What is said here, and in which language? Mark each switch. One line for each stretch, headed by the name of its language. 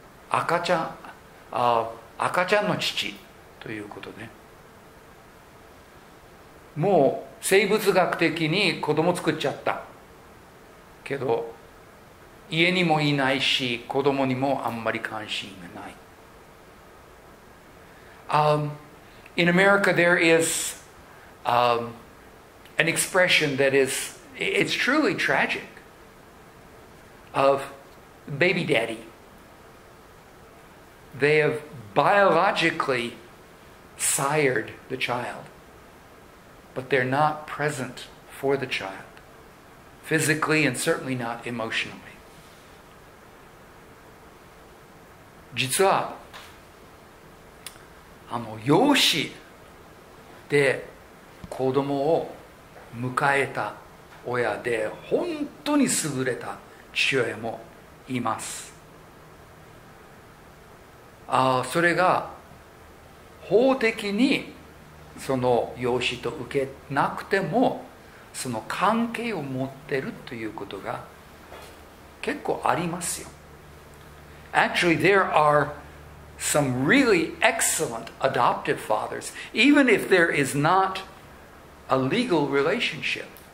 Japanese: 赤ちゃんの父ということね。もう生物学的に子供作っちゃったけど、家にもいないし子供にもあんまり関心がない。
English: In America there is an expression that is, it's truly tragic, of baby daddy. They have biologically sired the child, but they're not present for the child, physically and certainly not emotionally.
Japanese: 実は、養子で子供を迎えた親で本当に優れた父親もいます。それが法的にその養子と受けなくてもその関係を持ってるということが結構ありますよ。
English: Actually there are some really excellent adoptive fathers even if there is notA legal relationship.